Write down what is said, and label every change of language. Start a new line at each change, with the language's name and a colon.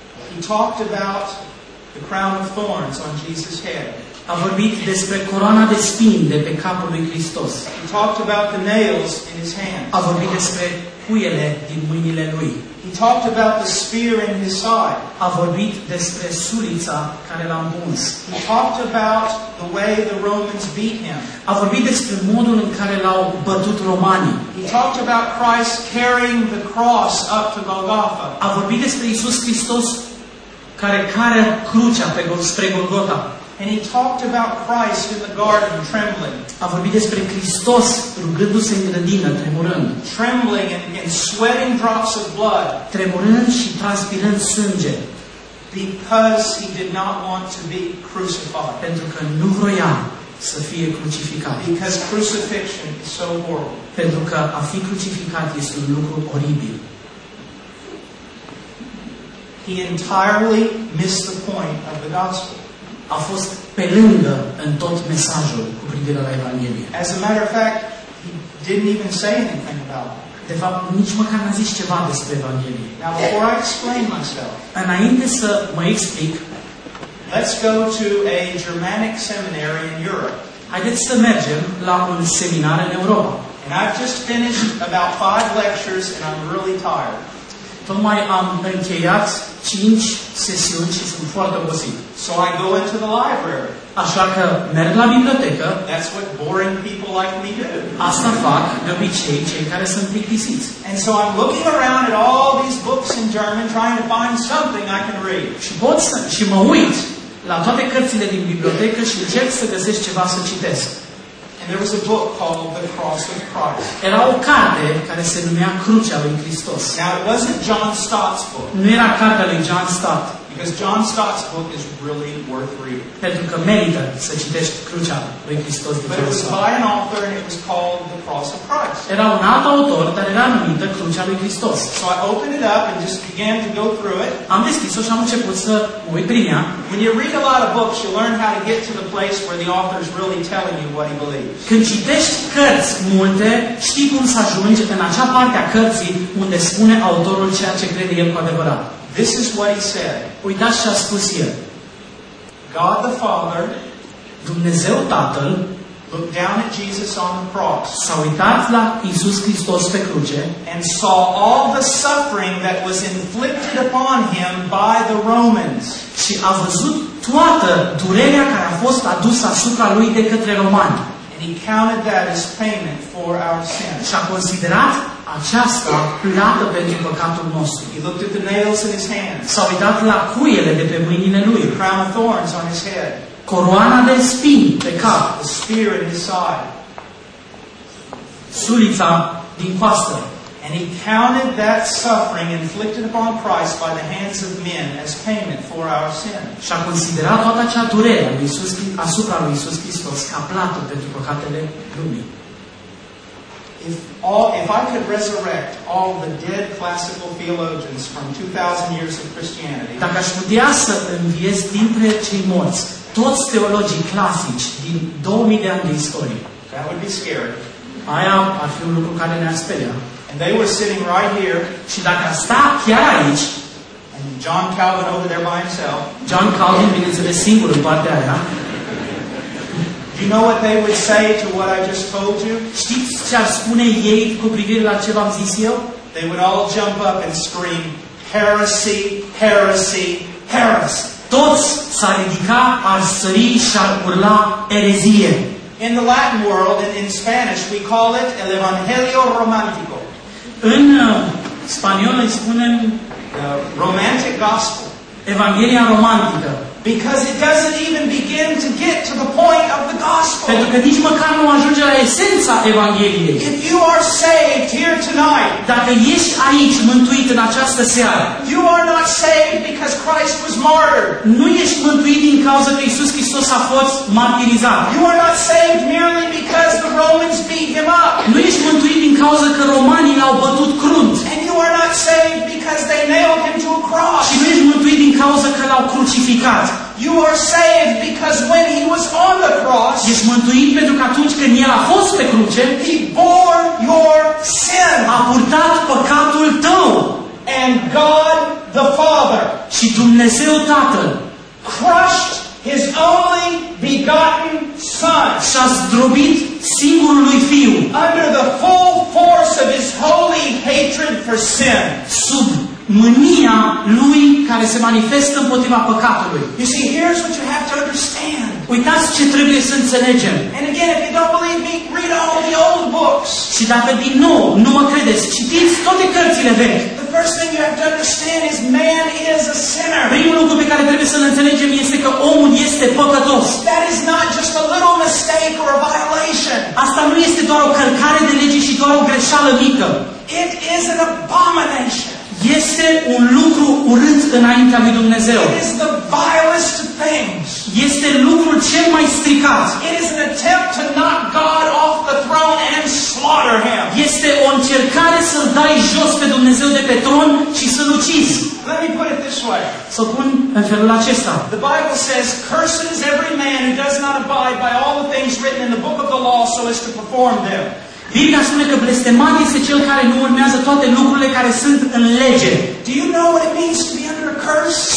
English: He talked about the crown of thorns on Jesus' head.
Romanian: A vorbit despre coroana de spini de pe capul lui Hristos.
English: He talked about the nails in his hands.
Romanian: A vorbit despre cuiele din mâinile lui.
English: He talked about the spear in his side.
Romanian: A vorbit despre sulița care l-a împuns.
English: He talked about the way the Romans beat him.
Romanian: A vorbit despre modul în care l-au bătut romanii.
English: He talked about Christ carrying the cross up to Golgotha.
Romanian: A vorbit despre Iisus Hristos care cară crucea spre Golgota.
English: And he talked about Christ in the garden trembling.
Romanian: A vorbit despre Hristos rugându-se în grădină, tremurând.
English: Trembling and sweating drops of blood.
Romanian: Tremurând și transpirând sânge.
English: Because he did not want to be crucified.
Romanian: Pentru că nu vroia să fie crucificat.
English: Because crucifixion is so horrible.
Romanian: Pentru că a fi crucificat este un lucru oribil.
English: He entirely missed the point of the gospel.
Romanian: A fost pe lângă în tot mesajul cu privire la Evanghelie.
English: As a matter of fact, he didn't even say anything about it.
Romanian: De fapt, nici măcar n-a zis ceva despre Evanghelie.
English: Now, before I explain myself,
Romanian: înainte să mă explic,
English: let's go to a Germanic seminary in Europe.
Romanian: Haideți să mergem la un seminar în Europa.
English: And I've just finished about 5 lectures and I'm really tired.
Romanian: Tocmai am încheiat 5 sesiuni și sunt foarte obosit.
English: So I go into the library.
Romanian: Așa că merg la bibliotecă.
English: That's what boring people like me do.
Romanian: Asta fac de obicei cei care sunt plictisiți.
English: And so I'm looking around at all these books in German trying to find something I can read.
Romanian: Și mă uit la toate cărțile din bibliotecă și încerc să găsesc ceva să citesc.
English: And there was a book called The Cross of Christ.
Romanian: Era o carte care se numea Crucea lui Hristos.
English: Now, it wasn't John Stott's book.
Romanian: Nu era cartea lui John Stott.
English: Because John Stott's book is really worth reading.
Romanian: Pentru că merită să citești Crucea lui Hristos de Jerusalem.
English: But it was by an author and it was called The Cross of Christ.
Romanian: Era un alt autor, dar era numită Crucea lui Hristos.
English: So I opened it up and just began to go through it.
Romanian: Am deschis-o și am început să o uit prin ea.
English: When you read a lot of books, you learn how to get to the place where the author is really telling you what he believes.
Romanian: Când citești cărți multe, știi cum să ajungi în acea parte a cărții unde spune autorul ceea ce crede el cu adevărat.
English: This is what he said.
Romanian: Uitați ce a spus el.
English: God the Father,
Romanian: Dumnezeu Tatăl,
English: looked down at Jesus on the cross.
Romanian: S-a uitat la Iisus Hristos pe cruce,
English: and saw all the suffering that was inflicted upon him by the Romans.
Romanian: Și a văzut toată durerea care a fost adusă asupra lui de către romani.
English: And he counted that as payment for our sins.
Romanian: Și a considerat aceasta plată pentru păcatul nostru.
English: He looked at the nails in his hands.
Romanian: S-a uitat la cuiele de pe mâinile lui.
English: The crown of thorns on his head.
Romanian: Coroana de spini pe cap.
English: The spear in his side.
Romanian: Sulița din coastă.
English: And he counted that suffering inflicted upon Christ by the hands of men as payment for our sin.
Romanian: Și a considerat toată acea durere asupra lui Iisus Hristos ca plată pentru păcatele lumii.
English: If I could resurrect all the dead classical theologians from 2000 years of Christianity.
Romanian: Dacă aș putea să înviez dintre cei morți toți teologii clasici din 2000 de ani de istorie.
English: That would be scary.
Romanian: Aia ar fi un lucru care ne-ar speria.
English: And they were sitting right here.
Romanian: Și dacă sta chiar aici.
English: And John Calvin over there by himself.
Romanian: John Calvin bineînțeles singur în partea aia.
English: Do you know what they would say to what I just told you?
Romanian: Știți ce ar spune ei cu privire la ce v-am zis eu?
English: They would all jump up and scream, heresy, heresy, heresy.
Romanian: Toți s-ar ridica, ar sări și ar urla erezie.
English: In the Latin world, in Spanish, we call it
Spanish: el Evangelio Romántico.
Romanian: În spaniol îi spunem
English: the Romantic Gospel.
Romanian: Evanghelia Romantică.
English: Because it doesn't even begin to get to the point of the gospel.
Romanian: Pentru că nici măcar nu ajunge la esența Evangheliei.
English: If you are saved here tonight,
Romanian: dacă ești aici mântuit în această seară,
English: you are not saved because Christ was martyred.
Romanian: Nu ești mântuit din cauza că Iisus Hristos a fost martirizat.
English: You are not saved merely because the Romans beat him up.
Romanian: Nu ești mântuit din cauza că romanii l-au bătut crunt.
English: And you are not saved because they nailed him to a cross.
Romanian: Și nu ești mântuit din cauza că l-au crucificat.
English: You are saved because when he was on the cross,
Romanian: ești mântuit pentru că atunci când el a fost pe cruce,
English: he bore your sin,
Romanian: a purtat păcatul tău.
English: And God the Father,
Romanian: și Dumnezeu Tatăl,
English: crushed his only begotten son,
Romanian: s-a zdrobit singurului fiu,
English: under the full force of his holy hatred for sin,
Romanian: sub mânia lui care se manifestă împotriva păcatului.
English: You see, here's what you have to understand.
Romanian: Uitați ce trebuie să înțelegem.
English: And again, if you don't believe me, read all the old books.
Romanian: Și dacă din nou nu mă credeți, citiți toate cărțile vechi.
English: The first thing you have to understand is man is a sinner.
Romanian: Primul lucru pe care trebuie să înțelegem este că omul este păcătos.
English: That is not just a little mistake or a violation.
Romanian: Asta nu este doar o călcare de lege și doar o greșeală mică.
English: It is an abomination.
Romanian: Este un lucru urât înaintea lui Dumnezeu.
English: It is the vilest of things.
Romanian: Este lucrul cel mai stricat.
English: It is an attempt to knock God off the throne and slaughter him.
Romanian: Este o încercare să-l dai jos pe Dumnezeu de pe tron și să-l ucizi.
English: Let me put it this way.
Romanian: Să pun în felul acesta.
English: The Bible says, curses every man who does not abide by all the things written in the book of the law so as to perform them.
Romanian: Biblia spune că blestemat este cel care nu urmează toate lucrurile care sunt în lege.
English: Do you know what it means to be under a curse?